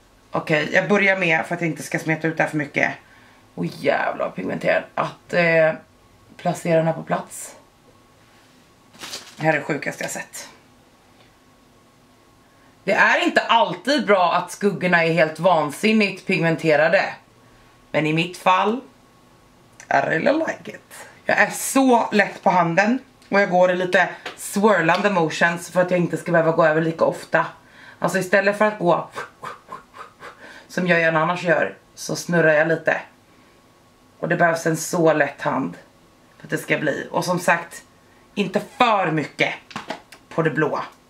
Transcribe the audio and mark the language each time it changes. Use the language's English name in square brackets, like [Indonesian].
[Swedish] Okej, jag börjar med, för att jag inte ska smeta ut det för mycket. Åh jävlar pigmenterad, att placera den här på plats. Det här är det sjukaste jag sett. Det är inte alltid bra att skuggorna är helt vansinnigt pigmenterade. Men i mitt fall, [English] I really like it. [Swedish] Jag är så lätt på handen och jag går i lite swirlande motions för att jag inte ska behöva gå över lika ofta. Alltså istället för att gå som jag gärna annars gör, så snurrar jag lite. Och det behövs en så lätt hand för att det ska bli. Och som sagt, inte för mycket på det blåa.